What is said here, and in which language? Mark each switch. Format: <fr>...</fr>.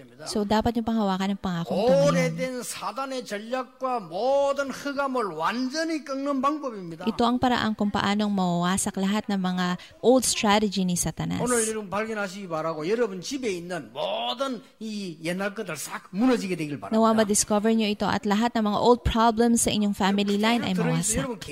<tl>So, dapat niyo pang hawakan ang pangako ito ngayon. Ito ang paraan kung paano mawawasak lahat ng mga old strategy ni Satanas.</tl> <ko>오늘 여러분 발견하시기 바라고 여러분 집에 있는 모든 이 옛날 것들 싹 무너지게 되길 바랍니다.</ko> <tl>Nawa ma-discover niyo ito at lahat ng mga old problems sa inyong family line ay mawasak.</tl>